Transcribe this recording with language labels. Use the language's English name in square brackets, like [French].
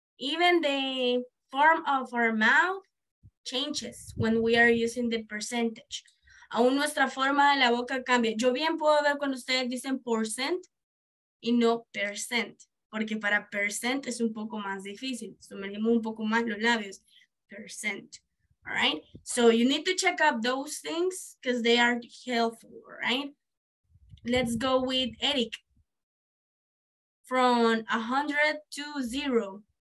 [English] Even the form of our mouth changes when we are using the percentage. [Spanish] Aún nuestra forma de la boca cambia. Yo bien puedo ver cuando ustedes dicen percent y no percent, porque para percent es un poco más difícil. Sumergimos un poco más los labios. Percent. [English] All right, so you need to check up those things because they are helpful, right? Let's go with Eric. From 100 to 0.